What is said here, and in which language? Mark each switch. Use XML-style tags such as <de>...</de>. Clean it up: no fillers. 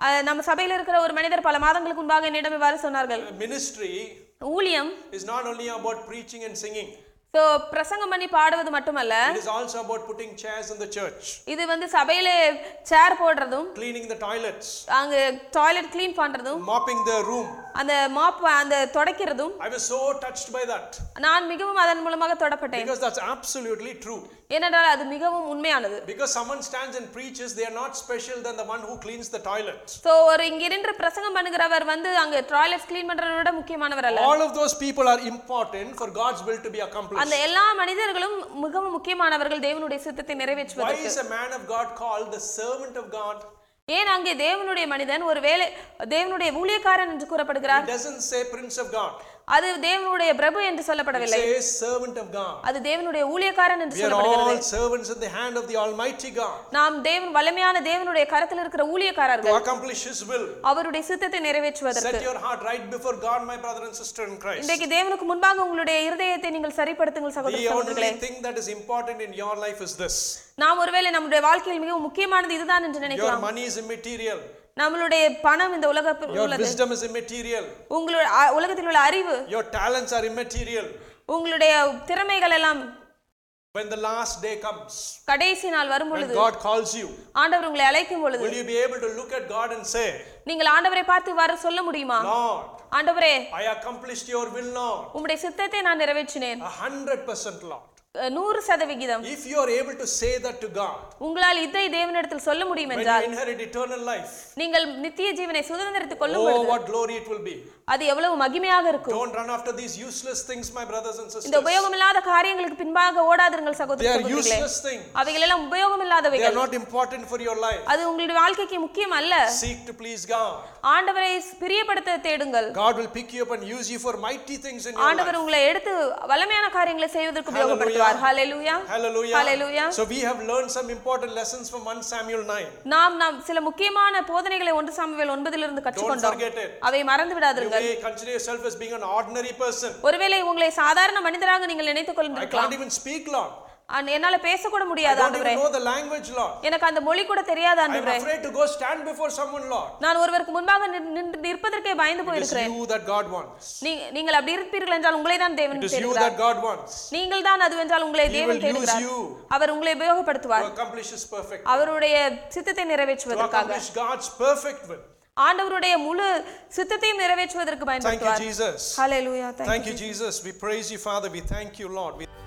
<ta>நம்ம சபையில இருக்கிற ஒரு மனிதர் பல மாதங்களுக்கு முன்பாக என்னிடம் இவ்வாறு சொன்னார்கள்.</ta> <en>Ministry</en> <ta>ஊழியம்</ta> <en>is not only about preaching and singing.</en> <ta>So பிரசங்கம் பண்ணி பாடுவது மட்டுமல்ல.</ta> <en>It is also about putting chairs in the church.</en> <ta>இது வந்து சபையிலே chair போடுறதும்</ta> <en>cleaning the toilets.</en> <ta>அங்க toilet clean பண்றதும்</ta> <en>mopping the room.</en> <ta>அந்த மாப் அந்த துடைக்கிறதும்</ta> <en>I was so touched by that.</en> <ta>நான் மிகவும் அதன் மூலமாக தொடப்பட்டேன்.</ta> <en>Because that's absolutely true.</en> <ta>ஏனென்றால் அது மிகவும் உண்மையானது.</ta> <en>Because someone stands and preaches they are not special than the one who cleans the toilets.</en> <ta>So ஒரு இங்கிருந்து பிரசங்கம் பண்ணுகிறவர் வந்து அங்க toilets clean பண்றவரை விட முக்கியமானவர் அல்ல.</ta> <en>All of those people are important for God's will to be accomplished.</en> <ta>அந்த எல்லா மனிதர்களும் மிகவும் முக்கியமானவர்கள் தேவனுடைய சித்தத்தை நிறைவேற்றுவதற்கு.</ta> <en>Why is a man of God called the servant of God?</en> <ta>ஏன் அங்கே தேவனுடைய மனிதன் ஒருவேளை தேவனுடைய ஊழியக்காரன் என்று கூறப்படுகிறார்?</ta> <en>It doesn't say prince of God.</en> <ta>அது தேவனுடைய பிரபு என்று சொல்லப்படவில்லை.</ta> <en>It says servant of God.</en> <ta>அது தேவனுடைய ஊழியக்காரன் என்று சொல்லப்படுகிறது.</ta> <en>We are all servants in the hand of the Almighty God.</en> <ta>நாம் தேவன் வல்லமையான தேவனுடைய கரத்தில் இருக்கிற ஊழியக்காரர்கள்.</ta> <en>To accomplish His will.</en> <ta>அவருடைய சித்தத்தை நிறைவேற்றுவதற்கு.</ta> <en>Set your heart right before God, my brother and sister in Christ.</en> <ta>இன்றைக்கு தேவனுக்கு முன்பாக உங்களுடைய இருதயத்தை நீங்கள் சரிப்படுத்துங்கள் சகோதர சகோதரிகளே.</ta> <en>The only thing that is important in your life is this.</en> <ta>நாம் ஒருவேளை நம்முடைய வாழ்க்கையில் மிகவும் முக்கியமானது இதுதான் என்று நினைக்கலாம்.</ta> <en>Your money is immaterial.</en> <ta>நம்மளுடைய பணம் இந்த உலகத்தில் உள்ளது.</ta> <en>Your wisdom is immaterial.</en> <ta>உங்களுடைய உலகத்தில் உள்ள அறிவு.</ta> <en>Your talents are immaterial.</en> <ta>உங்களுடைய திறமைகள் எல்லாம்.</ta> <en>When the last day comes.</en> <ta>கடைசி நாள் வரும்பொழுது.</ta> <en>When God calls you.</en> <ta>ஆண்டவர் உங்களை அழைக்கும் பொழுது.</ta> <en>Will you be able to look at God and say?</en> <ta>நீங்கள் ஆண்டவரை பார்த்து வரை சொல்ல முடியுமா?</ta> <en>Lord.</en> <ta>ஆண்டவரே.</ta> <en>I accomplished your will, Lord.</en> <ta>உம்முடைய சித்தத்தை நான் நிறைவேற்றினேன்.</ta> <en>100% Lord.</en> <ta>100%.</ta> <en>If you are able to say that to God,</en> <ta>உங்களால் இதை தேவனிடத்தில் சொல்ல முடியும் என்றால்,</ta> <en>when you inherit eternal life,</en> <ta>நீங்கள் நித்திய ஜீவனை சுதந்திரத்தை கொள்ளும் பொழுது,</ta> <en>oh what glory it will be!</en> <ta>அது எவ்வளவு மகிமையாக இருக்கும்.</ta> <en>Don't run after these useless things, my brothers and sisters.</en> <ta>இந்த உபயோகமில்லாத காரியங்களுக்கு பின்பாக ஓடாதீர்கள் சகோதரர்களே.</ta> <en>They are useless things.</en> <ta>அவைகள் எல்லாம் உபயோகமில்லாதவைகள்.</ta> <en>They are not important for your life.</en> <ta>அது உங்களுடைய வாழ்க்கைக்கு முக்கியம் அல்ல.</ta> <en>Seek to please God.</en> <ta>ஆண்டவரை பிரியப்படுத்த தேடுங்கள்.</ta> <en>God will pick you up and use you for mighty things in your life.</en> <ta>ஆண்டவர் உங்களை எடுத்து வல்லமையான காரியங்களை செய்வதற்கு உபயோகப்படுத்துவார்.</ta> <en>Hallelujah. Hallelujah. Hallelujah. So we have learned some important lessons from 1 Samuel 9.</en> <ta>நாம் சில முக்கியமான போதனைகளை 1 சாமுவேல் 9 இலிருந்து கற்றுக்கொண்டோம். அவை மறந்துவிடாதீர்கள்.</ta> <en>You may consider yourself as being an ordinary person.</en> <ta>ஒருவேளை உங்களை சாதாரண மனிதராக நீங்கள் நினைத்துக் கொண்டிருக்கலாம்.</ta> <en>I can't even speak, Lord.</en> <ta>என்னால பேச கூட முடியாது ஆண்டவரே.</ta> <en>I don't even know the language, Lord.</en> <ta>எனக்கு அந்த மொழி கூட தெரியாது ஆண்டவரே.</ta> <en>I'm afraid to go stand before someone, Lord.</en> <ta>நான் ஒருவருக்கு முன்பாக நிற்பதற்கே பயந்து போயிருக்கிறேன்.</ta> <en>It is you that God wants.</en> <ta>நீங்கள் அப்படி இருப்பீர்கள் என்றால் உங்களை தான் தேவன் தேடுகிறார்.</ta> <en>It is you that God wants.</en> <ta>நீங்கள் தான் அது என்றால் உங்களை தேவன் தேடுகிறார். அவர் உங்களை உபயோகப்படுத்துவார்.</ta> <en>To accomplish his perfect will.</en> <ta>அவருடைய சித்தத்தை நிறைவேற்றுவதற்காக.</ta> <en>To accomplish God's perfect will.</en> <ta>ஆண்டவருடைய முழு சித்தத்தையும் நிறைவேற்றுவதற்கு பயன்படுத்துவார்.</ta> <en>Thank you Jesus. Hallelujah. Thank you Jesus. We praise you Father. We thank you Lord. We</en>